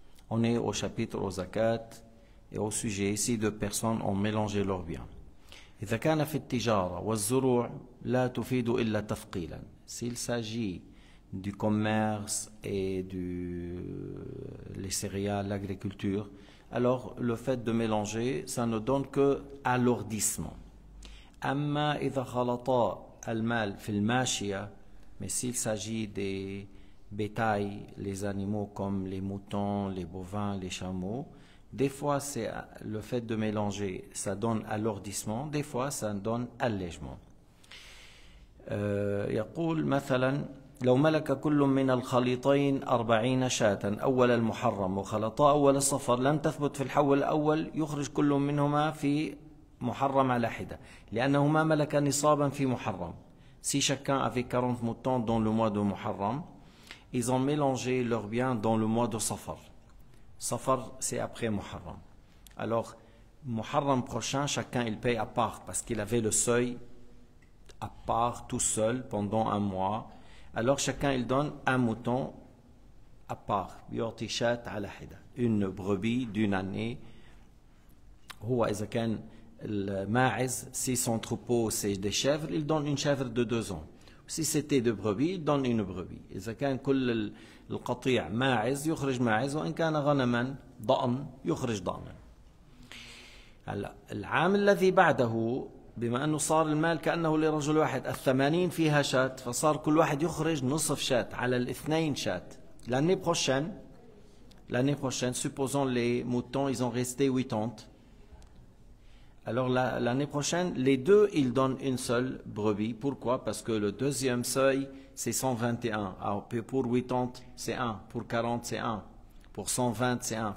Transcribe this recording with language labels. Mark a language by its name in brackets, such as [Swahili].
[French] On est au chapitre zakat et au sujet ici deux personnes ont mélangé leurs biens. [Arabic] إذا كان في التجارة والزروع لا تفيد إلا تثقيلا. [French] S'il s'agit du commerce et du les céréales, l'agriculture, alors le fait de mélanger, ça ne donne que alourdissement. [Arabic] أما إذا خلطا المال في الماشية، [French] mais s'il s'agit des bétail, les animaux comme les moutons, les bovins, les chameaux, des fois c'est le fait de mélanger, ça donne alourdissement, des fois ça donne allègement. [Arabic] يقول مثلا لو ملك كل من الخليطين 40 شاة أول المحرم وخلطا أول الصفر لم تثبت في الحول الأول، يخرج كل منهما في محرم على حدة، لأنهما ملكا نصابا في محرم. [French] Si chacun avait 40 moutons dans le mois de Muharram, ils ont mélangé leurs biens dans le mois de Safar. Safar, c'est après Muharram. Alors, Muharram prochain, chacun il paye à part parce qu'il avait le seuil à part tout seul pendant un mois. Alors, chacun il donne un mouton à part. [Arabic] Yu'ti shat 'ala hida. [French] Une brebis d'une année. [Arabic] Huwa idha kan al-ma'iz, [French] si son troupeau c'est des chèvres, il donne une chèvre de 2 ans. Si c'était de brebis, il donne une brebis. [Arabic] إذا كان كل القطيع ماعز يخرج ماعز، وإن كان غنما ضأن يخرج ضأنا. هلا العام الذي بعده، بما أنه صار المال كأنه لرجل واحد، 80 فيها شاة، فصار كل واحد يخرج نصف شاة على الاثنين شاة. [French] L'année prochaine, supposons les moutons, ils ont resté 80. Alors l'année prochaine, les deux, ils donnent une seule brebis. Pourquoi? Parce que le deuxième seuil, c'est 121. Alors pour 80, c'est 1. Pour 40, c'est 1. Pour 120, c'est 1.